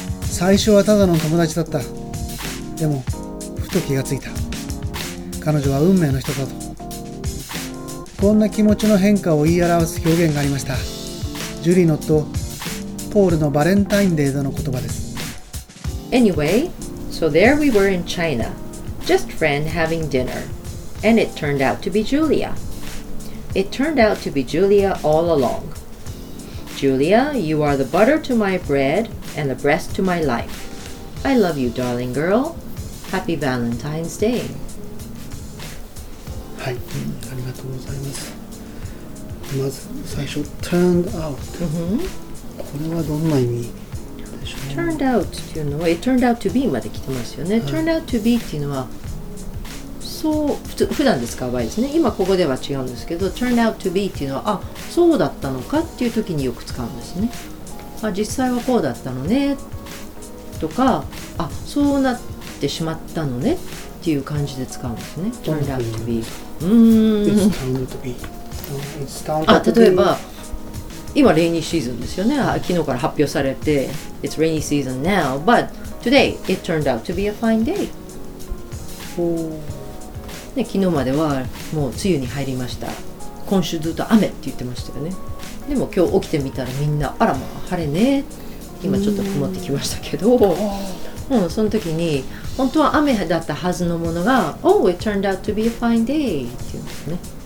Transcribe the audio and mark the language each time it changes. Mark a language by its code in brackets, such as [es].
[ja] 最初はただの友達だった。でもふと気がついた、彼女は運命の人だと。こんな気持ちの変化を言い表す表現がありました。ジュリーの夫ポールのバレンタインデーでの言葉です。 [en] Anyway, so there we were in China, just friend having dinner, and it turned out to be Julia. It turned out to be Julia all along. Julia, you are the butter to my bread and the breast to my life. I love you, darling girl. Happy Valentine's Day. [ja] はい、ありがとうございます。まず最初、turned out。これはどんな意味でしょう。 Turned out っていうのは、 [en] it turned out to be [ja] まで来てますよね、はい、 [en] turned out to be [ja] っていうのはそう、普段で使う場合ですね。今ここでは違うんですけど、 [en] turned out to be [ja] っていうのは、あ、そうだったのかっていう時によく使うんですね。あ、実際はこうだったのねとか、あ、そうなってしまったのねっていう感じで使うんですね。 [en] turned out to be、 It's turned out to be。 [ja] あ、例えば今レイニーシーズンですよね。昨日から発表されて [en] It's rainy season now, but today it turned out to be a fine day。 [ja] で、昨日まではもう梅雨に入りました、今週ずっと雨って言ってましたよね。でも今日起きてみたらみんな、あら、まあ晴れね、今ちょっと曇ってきましたけど、うん、その時に本当は雨だったはずのものが [en] Oh, it turned out to be a fine day [ja] って言うんですね。